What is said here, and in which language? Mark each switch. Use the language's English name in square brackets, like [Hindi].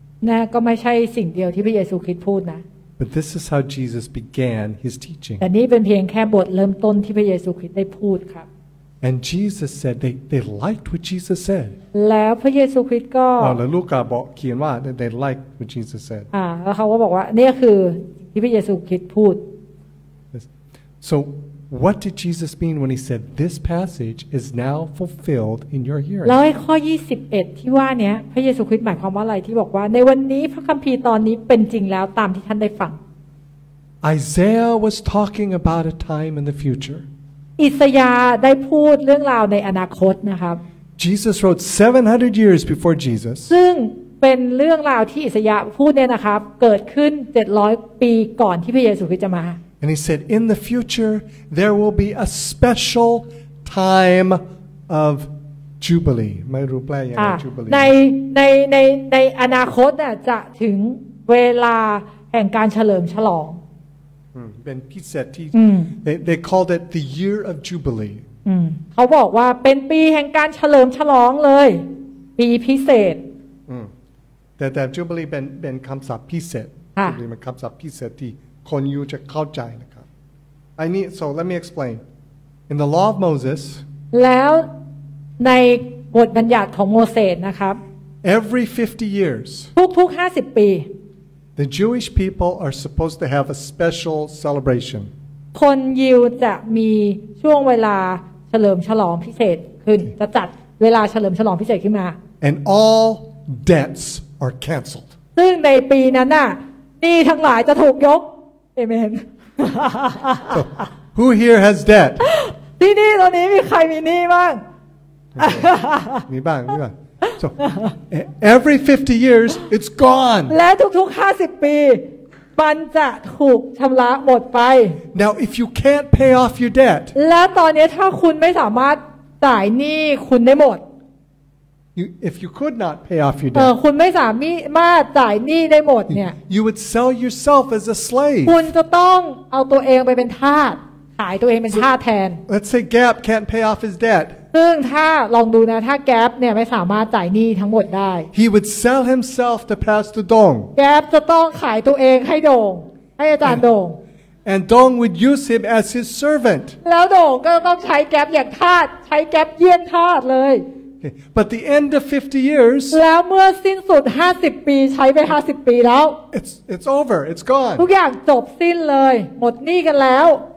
[Thai] นะก็ไม่ใช่สิ่งเดียวที่พระเยซูคริสต์พูดนะ [English] But this is how Jesus began his teaching. [Thai] แต่นี่เป็นเพียงแค่บทเริ่มต้นที่พระเยซูคริสต์ได้พูดครับ [English] And Jesus said they liked what Jesus said. [Thai] แล้วพระเยซูคริสต์ก็ แล้วลูกาบอกเขียนว่า [English] they liked what Jesus said. [Thai] แล้วเขาก็บอกว่านี่คือที่พระเยซูคริสต์พูด [English] So. What did Jesus mean when he said this passage is now fulfilled in your hearing? [Thai] แล้วข้อ 21 ที่ว่าเนี้ยพระเยซูคริสต์หมายความว่าอะไรที่บอกว่าในวันนี้พระคัมภีร์ตอนนี้เป็นจริงแล้วตามที่ท่านได้ฟัง [English] Isaiah was talking about a time in the future. [Thai] อิสยาห์ได้พูดเรื่องราวในอนาคตนะครับ [English] Jesus wrote 700 years before Jesus. [Thai] ซึ่งเป็นเรื่องราวที่อิสยาห์พูดเนี่ยนะครับเกิดขึ้น700ปีก่อนที่พระเยซูคริสต์จะมา [English] And he said, "In the future, there will be a special time of jubilee." [Thai] ไม่รู้แปลยังไง jubilee. ในอนาคตน่ะจะถึงเวลาแห่งการเฉลิมฉลอง เป็นพิเศษที่ [English] they called it the year of jubilee. [Thai] เขาบอกว่าเป็นปีแห่งการเฉลิมฉลองเลยปีพิเศษ แต่ jubilee เป็นคำศัพท์พิเศษ jubilee มันคำศัพท์พิเศษที่คนยูจะเข้าใจนะครับ [English] I need so let me explain in the law of Moses [Thai] แล้วในบทบัญญัติของโมเสสนะครับ [English] every 50 years [Thai] ทุก50ปี [English] the Jewish people are supposed to have a special celebration [Thai] คนยูจะมีช่วงเวลาเฉลิมฉลองพิเศษคือ จะจัดเวลาเฉลิมฉลองพิเศษขึ้นมา [English] and all debts are canceled [Thai] ซึ่งในปีนั้นน่ะหนี้ทั้งหลายจะถูกยกAmen. [English] Who here has debt? [Thai] ที่นี่ตอนนี้มีใครมีหนี้บ้าง มีบ้างมีบ้าง [English] So every 50 years, it's gone. [Thai] และทุกห้าสิบปีมันจะถูกชำระหมดไป [English] Now if you can't pay off your debt, [Thai] และตอนนี้ถ้าคุณไม่สามารถจ่ายหนี้คุณได้หมด [English] If you could not pay off your debt, [Thai] คุณไม่สามารถจ่ายหนี้ได้หมดเนี่ย [English] You would sell yourself as a slave. [Thai] คุณจะต้องเอาตัวเองไปเป็นทาสขายตัวเองเป็นทาสแทน [English] Let's say Gap can't pay off his debt. [Thai] ซึ่งถ้าลองดูนะถ้าแก๊ปเนี่ยไม่สามารถจ่ายหนี้ทั้งหมดได้ [English] He would sell himself to Pastor Dong [Thai] แก๊ปจะต้องขายตัวเองให้ดงให้อาจารย์ดง [English] And Dong would use him as his servant. [Thai] แล้วดงก็ต้องใช้แก๊ปอย่างทาสใช้แก๊ปเยี่ยนทาสเลย [English] But the end of 50 years. [Thai] แล้วเมื่อสิ้นสุด50ปีใช้ไป50ปีแล้ว [English] It's over. It's gone. [Thai] ทุกอย่างจบสิ้นเลยหมดหนี้กันแล้ว